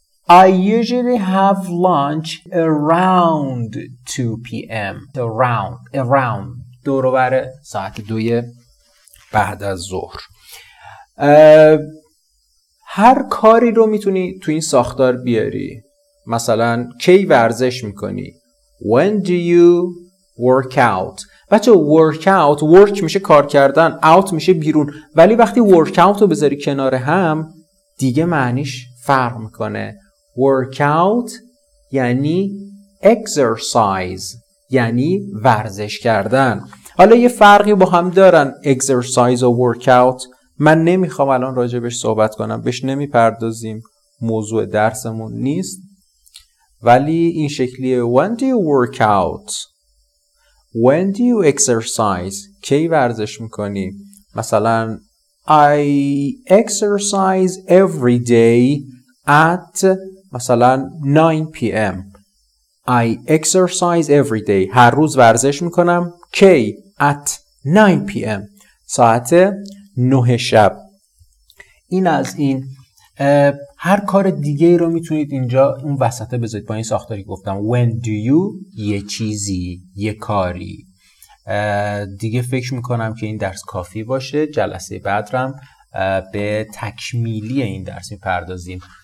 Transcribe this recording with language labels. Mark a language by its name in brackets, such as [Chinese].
[English] I usually have lunch around 2 p.m. [Persian] around دور و بر ساعت 2 بعد از ظهر. هر کاری رو میتونی تو این ساختار بیاری. مثلا کی ورزش میکنی، [English] when do you work out. [Persian] بچه work out، work میشه کار کردن، out میشه بیرون، ولی وقتی work out رو بذاری کنار هم دیگه معنیش فرق میکنه. work out یعنی exercise، یعنی ورزش کردن. حالا یه فرقی با هم دارن exercise و work out، من نمیخوام الان راجبش صحبت کنم، بهش نمیپردازیم، موضوع درسمون نیست، ولی این شکلیه [English] when do you work out، when do you exercise، [Persian] کی ورزش میکنی. [English] مثلا I exercise every day at مثلا 9 p.m. I exercise every day، [Persian] هر روز ورزش میکنم، کی، [English] at 9 p.m. [Persian] ساعت 9 شب. این از این. هر کار دیگه ای رو میتونید اینجا اون وسطه بذارید با این ساختاری گفتم. [English] When do you [Persian] یه چیزی، یه کاری. دیگه فکر میکنم که این درس کافی باشه. جلسه بعد رو به تکمیلی این درس میپردازیم.